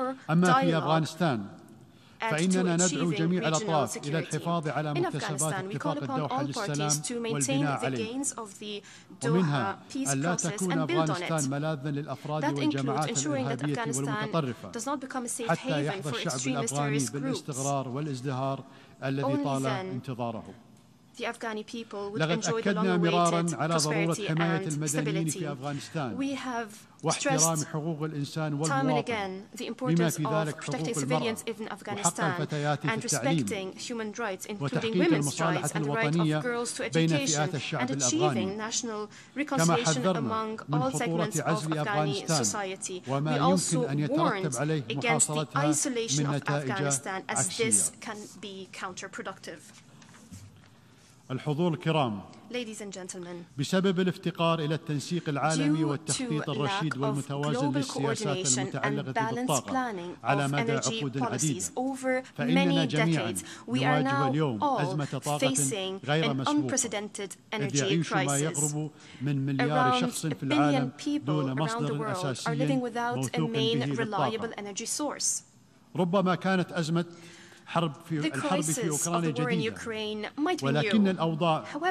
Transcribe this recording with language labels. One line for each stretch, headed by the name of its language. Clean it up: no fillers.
Arabic: أما في أفغانستان فإننا ندعو جميع الأطراف إلى الحفاظ على مكتسبات اتفاق الدوحة للسلام والبناء عليه ومنها ألا تكون أفغانستان ملاذاً للأفراد والجماعات الإرهابية والمتطرفة حتى يحظى الشعب الأفغاني بالاستقرار والازدهار الذي طال انتظاره
English: The Afghani people would enjoy the long-awaited prosperity and stability. We have stressed time and again the importance of protecting civilians in Afghanistan and respecting human rights, including women's rights and the right of girls to education and achieving national reconciliation among all segments of Afghani society. We also warned against the isolation of Afghanistan as this can be counterproductive.
Arabic: الحضور الكرام بسبب الافتقار إلى التنسيق العالمي والتخطيط الرشيد والمتوازن للسياسات المتعلقة بالطاقة على مدى عقود عديدة فإننا جميعا نواجه اليوم أزمة طاقة غير مسبوقة إذ يعيش ما يقرب من مليار شخص في العالم دون مصدر أساسي موثوق به بالطاقة ربما كانت أزمة الحرب في أوكرانيا جديدة ولكن الأوضاع